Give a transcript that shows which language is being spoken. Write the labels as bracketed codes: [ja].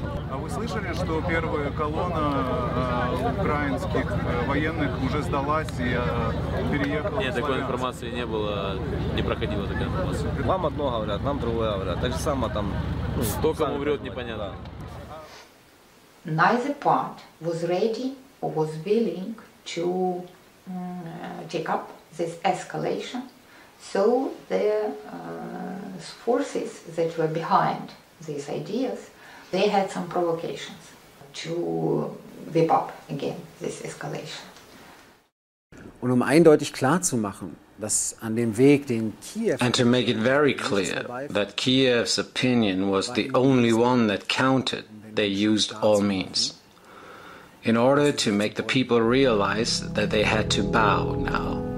[ru] А вы слышали, что первая колонна украинских военных уже сдалась и переехала? Нет, такой информации не было, не проходила такая информация. Вам одно говорят, вам другое говорят. Так же самое там. Кто кому врет, непонятно. [en] Neither part was ready or was willing to take up this escalation, so the forces that were behind these ideas, they had some provocations to whip up again this escalation. [de] Und eindeutig klar zu machen, dass an dem Weg, den Kiew... [en] And to make it very clear that Kiev's opinion was the only one that counted, they used all means in order to make the people realize that they had to bow now.